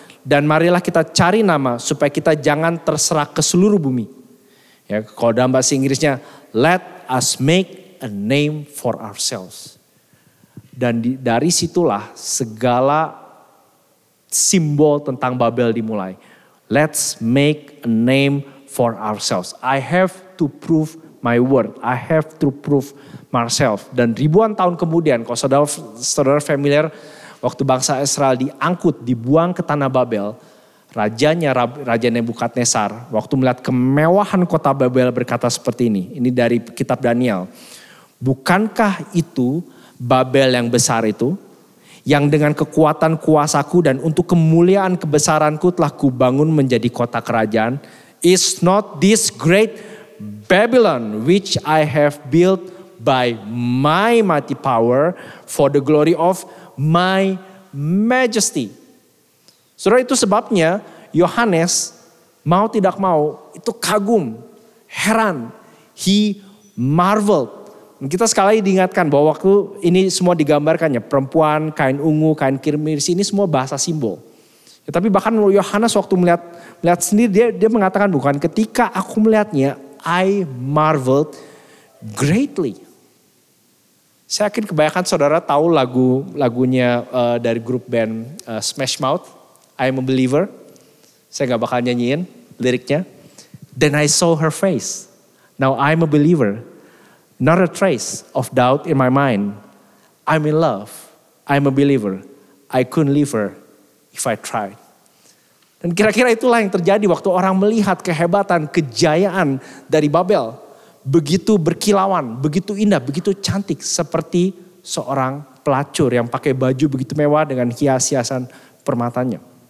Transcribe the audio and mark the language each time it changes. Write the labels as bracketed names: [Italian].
[Indonesian] Dan marilah kita cari nama supaya kita jangan terserak ke seluruh bumi. Ya, kalau dalam bahasa Inggrisnya, [English] let us make a name for ourselves. [Indonesian] Dan dari situlah segala simbol tentang Babel dimulai. [English] Let's make a name for ourselves. I have to prove my word. I have to prove myself. [Indonesian] Dan ribuan tahun kemudian, kalau saudara familiar, waktu bangsa Israel diangkut, dibuang ke tanah Babel, rajanya, Raja Nebukadnezar, waktu melihat kemewahan kota Babel berkata seperti ini. Ini dari kitab Daniel. Bukankah itu Babel yang besar itu, yang dengan kekuatan kuasaku dan untuk kemuliaan kebesaranku telah kubangun menjadi kota kerajaan. [English] Is not this great Babylon which I have built by my mighty power for the glory of my majesty. [Indonesian] Saudara, itu sebabnya Yohanes mau tidak mau itu kagum, heran, [English] he marveled. [Indonesian] Kita sekali lagi diingatkan bahwa waktu ini semua digambarkannya. Perempuan, kain ungu, kain kirmis, ini semua bahasa simbol. Ya, tapi bahkan Yohanes waktu melihat sendiri, dia mengatakan, bukan ketika aku melihatnya, [English] I marveled greatly. [Indonesian] Saya yakin kebanyakan saudara tahu lagunya dari grup band Smash Mouth, I'm a Believer. Saya gak bakal nyanyiin liriknya. [English] Then I saw her face, now I'm a Believer. Not a trace of doubt in my mind. I'm in love. I'm a believer. I couldn't leave her if I tried. [Indonesian] Dan kira-kira itulah yang terjadi waktu orang melihat kehebatan, kejayaan dari Babel. Begitu berkilauan, begitu indah, begitu cantik. Seperti seorang pelacur yang pakai baju begitu mewah dengan hias-hiasan permatanya.